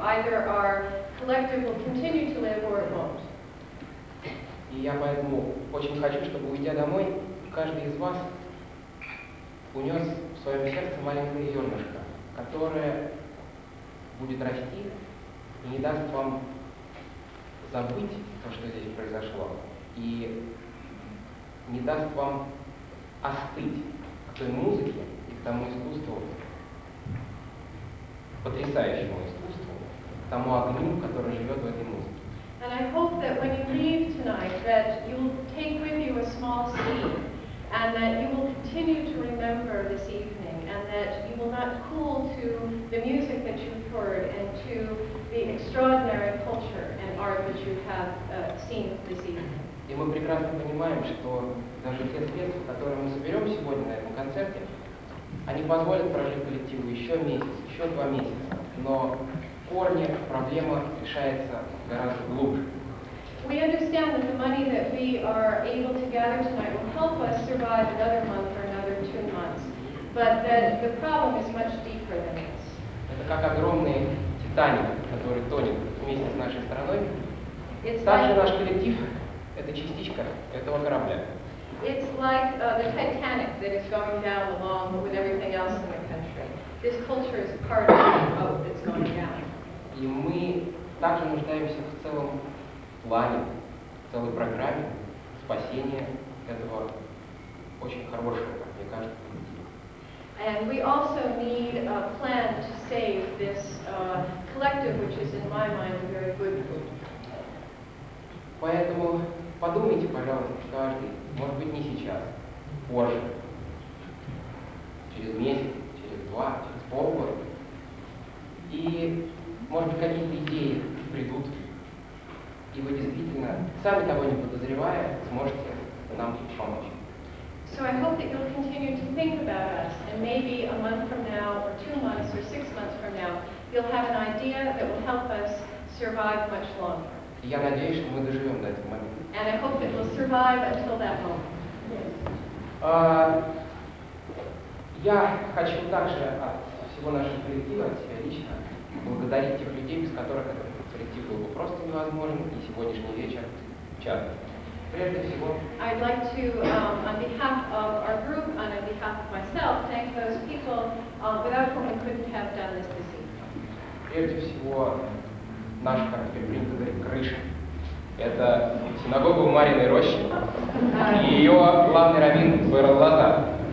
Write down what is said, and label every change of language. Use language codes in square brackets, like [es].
[en] Either our collective will continue to live, or it won't. [ru] И я поэтому очень хочу, чтобы уйдя домой, каждый из вас унес в своем сердце маленькое зернышко, которое будет расти и не даст вам забыть то, что здесь произошло, и не даст вам остыть к той музыке и к тому искусству, потрясающему искусству, к тому огню, который живет в этой музыке. [en] And I hope that when you leave tonight, that you'll take with you a small seed, and that you will continue to remember this evening, and that you will not cool to the music that you've heard and to the extraordinary culture and art that you have seen this evening. [ru] И мы прекрасно понимаем, что даже те средства, которые мы соберем сегодня на этом концерте, они позволят прожить коллективу еще месяц, еще 2 месяца, но корни проблема решается гораздо глубже. [en] We understand that the money that we are able to gather tonight will help us survive another month or another 2 months, but the problem is much deeper than this. [ru] Это как огромный Титаник, который тонет вместе с нашей страной. Также наш коллектив — это частичка этого корабля. [en] It's like the Titanic that is going down along with everything else in the country. This culture is part of the boat that's going down. [ru] И мы также нуждаемся в целом плане, в целой программе спасения этого очень хорошего, мне кажется, коллектива. [en] And we also need a plan to save this collective, which is, in my mind, a very good group. [ru] Поэтому подумайте, пожалуйста, каждый, может быть, не сейчас, позже, через месяц, через 2, через полгода, и, может быть, какие-то идеи. придут, и вы действительно, сами того не подозревая, сможете нам помочь. [en] So I hope that you'll continue to think about us, and maybe a month from now, or 2 months, or 6 months from now, you'll have an idea that will help us survive much longer. [ru] Я надеюсь, что мы доживем до этого момента. [en] And I hope that we'll survive until that moment. Yes. [ru] Я хочу также от всего нашего коллектива, от себя лично, благодарить тех людей, без которых этот коллектив был бы просто невозможен, и сегодняшний вечер в частности. [en] I'd like to, on behalf of our group, on behalf of myself, thank those people without whom we couldn't have done this this evening. [ru] Прежде всего, наш, как теперь принято говорить, крыша. Это синагога в Мариной Роще, и ее главный раввин Берлата.